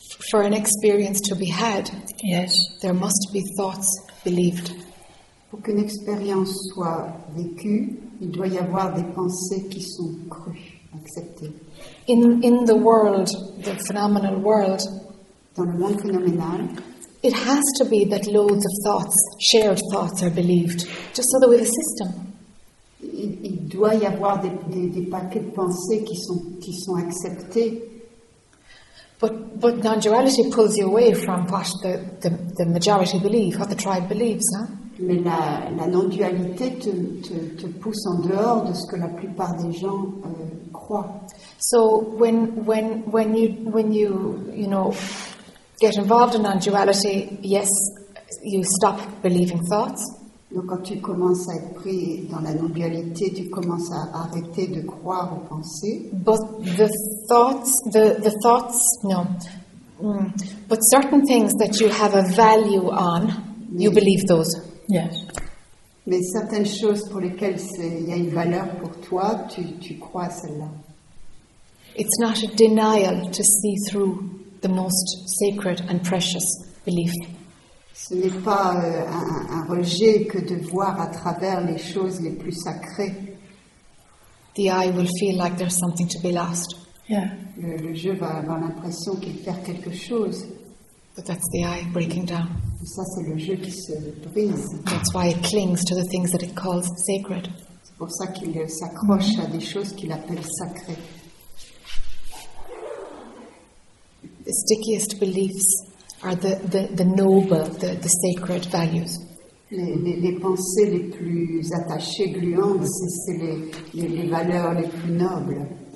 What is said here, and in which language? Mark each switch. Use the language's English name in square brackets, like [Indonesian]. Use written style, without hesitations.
[English] For an experience to be had, yes, there must be thoughts believed. [French] Pour qu'une expérience soit vécue, il doit y avoir des pensées qui sont crues, acceptées. [English] In the world, the phenomenal world, [French] dans le monde phénoménal, [English] it has to be that loads of thoughts, shared thoughts, are believed, just so that we have a system. [French] Il doit y avoir des paquets de pensées qui sont acceptées. [English] But non-duality pulls you away from what the majority believe, what the tribe believes, huh? [French] Mais la non-dualité te pousse en dehors de ce que la plupart des gens croient. [English] So when you get involved in non-duality, yes, you stop believing thoughts. [French] Donc quand tu commences à être pris dans la non-dualité, tu commences à arrêter de croire aux pensées. [English] But the thoughts, no. But certain things that you have a value on, mais, you believe those. Yes. [French] Mais certaines choses pour lesquelles il y a une valeur pour toi, tu crois à celles-là. [English] It's not a denial to see through the most sacred and precious belief. [French] Ce n'est pas un rejet que de voir à travers les choses les plus sacrées. [English] The eye will feel like there's something to be lost. Yeah. [French] Le jeu va avoir l'impression qu'il perd quelque chose. [English] But that's the eye breaking down. [French] Et ça, c'est le jeu qui se brise. [English] That's why it clings to the things that it calls sacred. [French] C'est pour ça qu'il s'accroche à des choses qu'il appelle sacrées. [English] The stickiest beliefs are the noble, the sacred values. [French] Les pensées les plus attachées, gluantes, c'est les valeurs les plus nobles.